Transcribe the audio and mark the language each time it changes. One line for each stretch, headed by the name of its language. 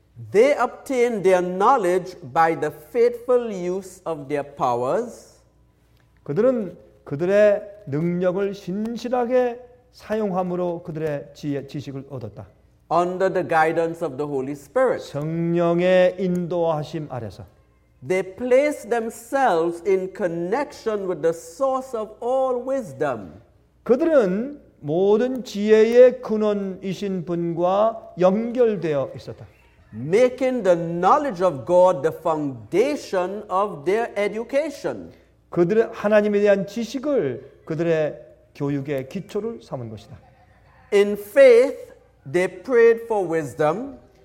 English: They obtained their knowledge by the faithful use of their powers.
Korean: 그들은 그들의 능력을 신실하게 사용함으로 그들의 지식을 얻었다.
English: Under the guidance of the Holy Spirit.
Korean: 성령의 인도하심 아래서.
English: They placed themselves in connection with the source of all wisdom.
Korean: 그들은 모든 지혜의 근원이신 분과 연결되어 있었다.
English: Making the knowledge of God the foundation of their education.
Korean: 그들의 하나님에 대한 지식을 그들의 교육의 기초를 삼은 것이다.
English: In faith, they prayed for wisdom.